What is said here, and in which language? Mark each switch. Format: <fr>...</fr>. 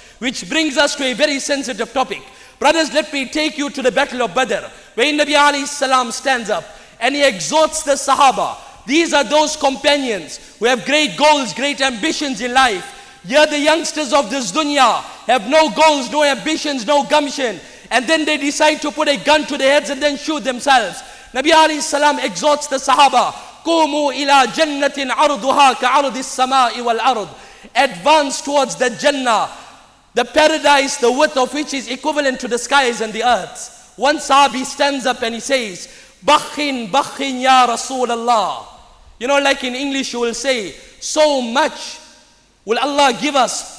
<en>Which brings us to a very sensitive topic. Brothers, let me take you to the Battle of Badr, where Nabi alayhi salam stands up and he exhorts the Sahaba. These are those companions who have great goals, great ambitions in life. Here the youngsters of this dunya have no goals, no ambitions, no gumption. And then they decide to put a gun to their heads and then shoot themselves. Nabi alayhi salam exhorts the Sahaba,</en> <ar>قوموا إلى جنة عرضها كعرض السماء والأرض.</ar> <en>Advance towards the Jannah, the paradise, the width of which is equivalent to the skies and the earth. One Sahabi stands up and he says,</en> <ar>بخين بخين يا رسول الله.</ar> <en>You know, like in English you will say, so much will Allah give us.</en>